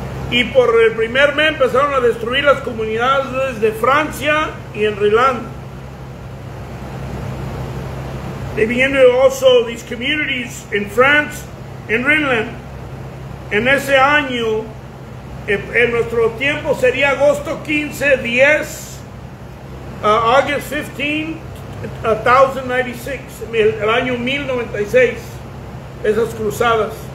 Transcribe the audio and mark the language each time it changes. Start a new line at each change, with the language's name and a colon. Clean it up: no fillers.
Spanish: Y por el primer mes empezaron a destruir las comunidades de Francia y en Irlanda.
English: They began to also these communities in France and Rhineland.
Spanish: En ese año, en nuestro tiempo sería agosto 15, 10, August 15, 1096, el año 1096, esas cruzadas.